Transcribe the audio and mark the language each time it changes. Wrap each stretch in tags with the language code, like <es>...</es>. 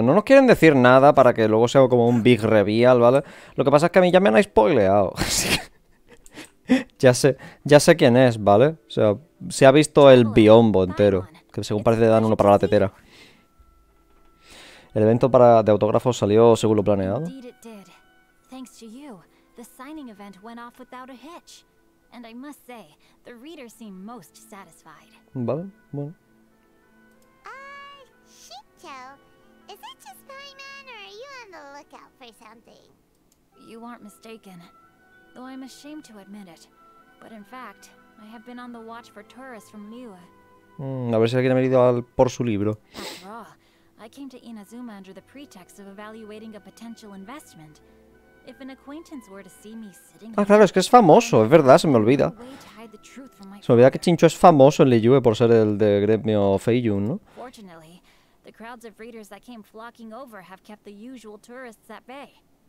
<es>No nos quieren decir nada para que luego sea como un</es> <en>big reveal,</en> <es>¿vale? Lo que pasa es que a mí ya me han spoileado, así que. Ya sé quién es, ¿vale? O sea, se ha visto el biombo entero, que según parece le dan uno para la tetera. El evento para de autógrafos salió según lo planeado.</es> <en>Thanks to you, the signing event went off without a hitch, and I must say, the readers seem most satisfied.</en> <es>Vale, bueno.</es> <en>Shito, is it just Paimon or are you on the lookout for something? You aren't mistaken. Though I'm ashamed to admit it, but in fact, I have been on the watch for tourists from Miwa.</en> <es>A ver si alguien ha venido al por su libro.</es> <en>After all, I came to Inazuma under the pretext of evaluating a potential investment. If an acquaintance were to see me sitting</en> <es>Ah, claro, es que es famoso, es verdad, se me olvida. Se me olvida que Chincho es famoso en Liyue por ser el de gremio Feiyun, ¿no?</es> <en>Fortunately, the crowds of readers that came flocking over have kept the usual tourists at bay.</en>